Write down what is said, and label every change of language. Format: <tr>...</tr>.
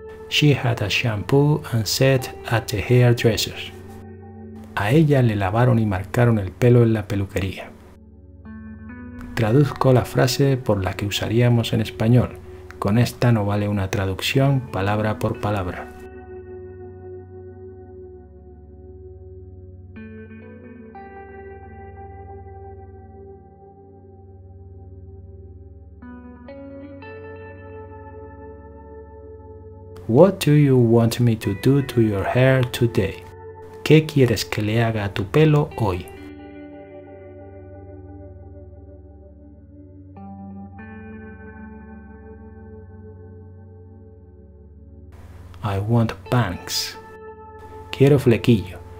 <en>She had a shampoo and set at the hairdresser.</en> <es>A ella le lavaron y marcaron el pelo en la peluquería. traduzco la frase por la que usaríamos en español. Con esta no vale una traducción palabra por palabra.</es> <en>What do you want me to do to your hair today?</en> <es>¿Qué quieres que le haga a tu pelo hoy?</es> <en>I want bangs.</en> <es>Quiero flequillo.</es>